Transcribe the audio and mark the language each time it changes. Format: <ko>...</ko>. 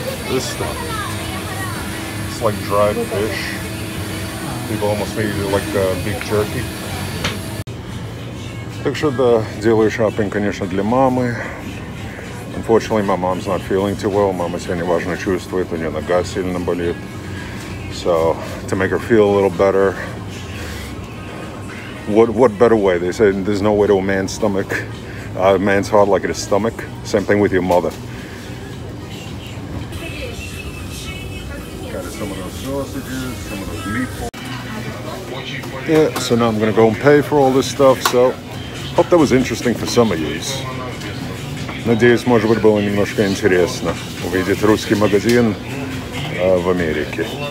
<en>This stuff. It's like dried fish. People almost made it like a big jerky.</en> <ru>Так что да, делаю шопинг, конечно, для мамы.</ru> <en>Unfortunately, my mom's not feeling too well.</en> <ru>Мама себя неважно чувствует, у нее нога сильно болит.</ru> <en>So, to make her feel a little better. What better way? They say there's no way to a man's stomach. A man's heart like it is stomach. Same thing with your mother. Got some of those sausages, some of those meatballs. Yeah, so now I'm going to go and pay for all this stuff, so hope that was interesting for some of you.</en> <ru>Надеюсь, может быть, было немножко интересно увидеть русский магазин в Америке.</ru>